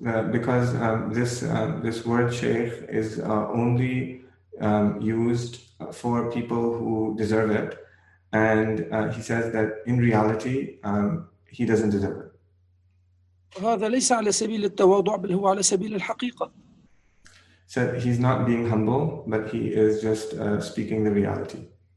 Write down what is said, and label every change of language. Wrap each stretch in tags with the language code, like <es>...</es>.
<en>Because this word Sheikh is only used for people who deserve it, and he says that in reality he doesn't deserve it.</en> <ar>هذا ليس على سبيل التواضع بل هو على سبيل الحقيقة.</ar> <en>So he's not being humble, but he is just speaking the reality.</en>